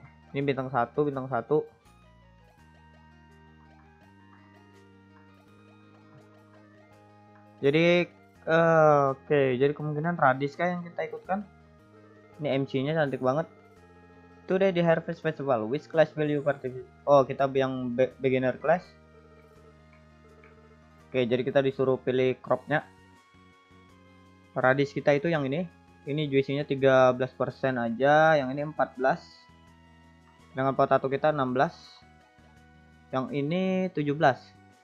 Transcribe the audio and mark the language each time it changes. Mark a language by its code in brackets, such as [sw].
[id] Ini bintang 1, bintang 1. Jadi jadi kemungkinan radish kah yang kita ikutkan? Ini MC-nya cantik banget. [en] Today the Harvest Festival, which class will you participate? [id] Oh, kita yang beginner class. Oke, jadi kita disuruh pilih crop-nya. Radish kita itu yang ini. Ini juicy-nya 13% aja, yang ini 14. Dengan potato kita 16. Yang ini 17.